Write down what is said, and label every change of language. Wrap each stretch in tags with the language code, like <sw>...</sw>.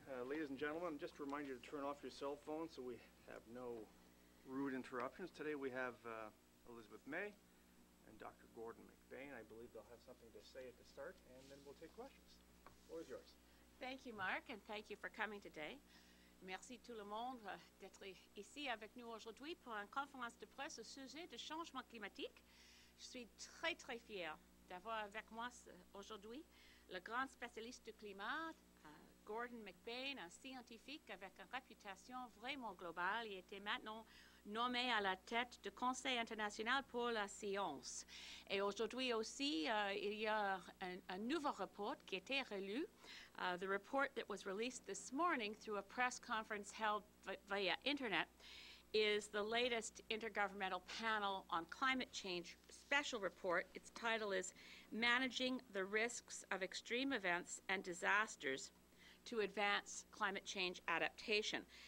<en>Ladies and gentlemen, just to remind you to turn off your cell phones so we have no rude interruptions. Today we have Elizabeth May and Dr. Gordon McBean. I believe they'll have something to say at the start, and then we'll take questions. The floor is yours. Thank you, Mark, and thank you for coming today.</en> <fr>Merci tout le monde d'être ici avec nous aujourd'hui pour une conférence de presse au sujet du changement climatique. Je suis très, très fière d'avoir avec moi aujourd'hui le grand spécialiste du climat, Gordon McBean, un scientifique avec une réputation vraiment globale. Il était maintenant nommé à la tête du Conseil international pour la science. Et aujourd'hui aussi, il y a un nouveau rapport qui a été relu.</fr> <en>The report that was released this morning through a press conference held via Internet is the latest Intergovernmental Panel on Climate Change special report. Its title is Managing the Risks of Extreme Events and Disasters to Advance Climate Change Adaptation.</en>